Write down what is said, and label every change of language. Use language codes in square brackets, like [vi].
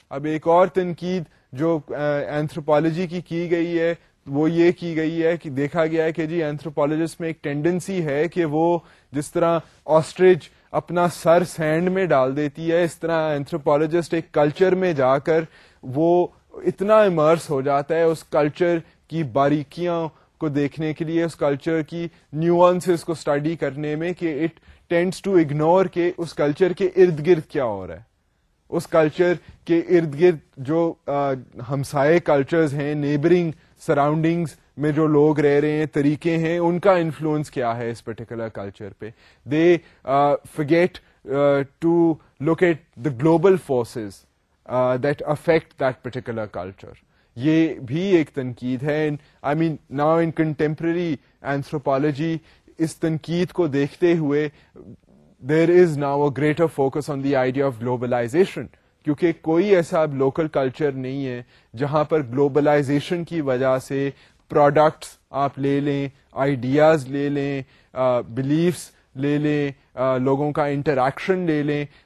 [ur] اب ایک اور تنقید جو اینتھروپالوجی کی گئی ہے وہ یہ کی گئی ہے کہ دیکھا گیا ہے کہ جی اینتھروپالوجسٹ میں ایک ٹینڈنسی ہے کہ وہ جس طرح آسٹریج اپنا سر سینڈ میں ڈال دیتی ہے, اس طرح اینتھروپالوجسٹ ایک کلچر میں جا کر وہ اتنا امرس ہو جاتا ہے اس کلچر کی باریکیاں کو دیکھنے کے لیے, اس کلچر کی نیوانسز کو اسٹڈی کرنے میں, کہ [en] it tends to ignore [ur] کہ اس کلچر کے ارد گرد کیا ہو رہا ہے. اس کلچر کے ارد گرد جو ہمسائے کلچرز ہیں, نیبرنگ سراؤنڈنگز میں جو لوگ رہ رہے ہیں, طریقے ہیں, ان کا انفلوئنس کیا ہے اس پرٹیکولر کلچر پہ. [en] They forget to look at the global forces that affect that particular culture. [ur] یہ بھی ایک تنقید ہے. [en] I mean now in contemporary anthropology [ur] اس تنقید کو دیکھتے ہوئے [en] there is now a greater focus on the idea of globalisation, [ur] کیونکہ کوئی ایسا اب لوکل کلچر نہیں ہے جہاں پر گلوبلائزیشن کی وجہ سے پروڈکٹس آپ لے لیں, آئیڈیاز لے لیں, بلیفس لے لیں, لوگوں کا انٹریکشن لے لیں.